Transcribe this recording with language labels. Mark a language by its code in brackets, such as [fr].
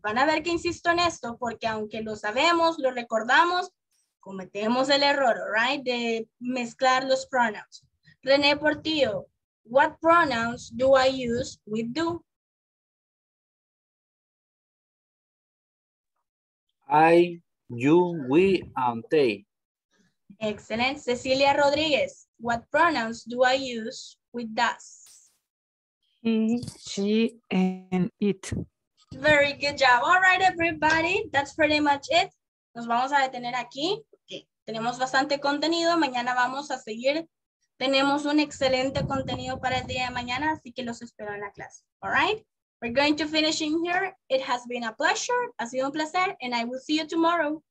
[es] Van a ver que insisto en esto, porque aunque lo sabemos, lo recordamos, cometemos el error, right, de mezclar los pronouns. [en] René Portillo, what pronouns do I use with do? I, you, we, and they. Excellent. Cecilia Rodriguez, what pronouns do I use with does? He, she, and it. Very good job. All right, everybody. That's pretty much it. [es] Nos vamos a detener aquí. Okay. Tenemos bastante contenido. Mañana vamos a seguir. Tenemos un excelente contenido para el día de mañana, así que los espero en la clase. [en] All right. We're going to finish in here. It has been a pleasure. [es] Ha sido un placer, [en] and I will see you tomorrow.